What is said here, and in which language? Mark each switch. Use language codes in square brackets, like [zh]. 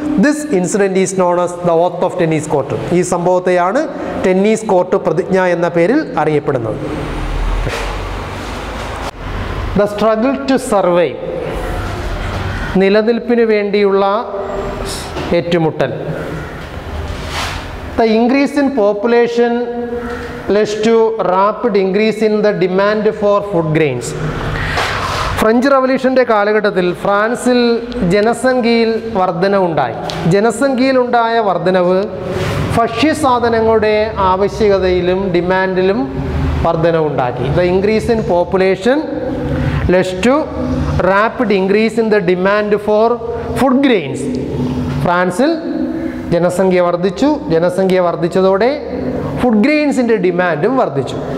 [en] This incident is known as the oath of tennis court. [ml] ഈ സംഭവത്തെയാണ് tennis court പ്രതിജ്ഞ എന്ന പേരിൽ അറിയപ്പെടുന്നത്. [en] the struggle to survive, [ml] നിലനിൽപ്പിന് വേണ്ടിയുള്ള ഏറ്റുമുട്ടൽ. [en] The increase in population led to rapid increase in the demand for food grains. [ml] French റവല്യൂഷൻ്റെ കാലഘട്ടത്തിൽ ഫ്രാൻസിൽ ജനസംഖ്യയിൽ വർധനവുണ്ടായി. ജനസംഖ്യയിലുണ്ടായ വർധനവ് ഭക്ഷ്യസാധനങ്ങളുടെ ആവശ്യകതയിലും ഡിമാൻഡിലും വർധനവുണ്ടാക്കി. [en] The increase in population led to rapid increase in the demand for food grains. [ml] ഫ്രാൻസിൽ ജനസംഖ്യ വർദ്ധിച്ചു. ജനസംഖ്യ വർദ്ധിച്ചതോടെ ഫുഡ് ഗ്രെയിൻസിൻ്റെ ഡിമാൻഡും വർദ്ധിച്ചു.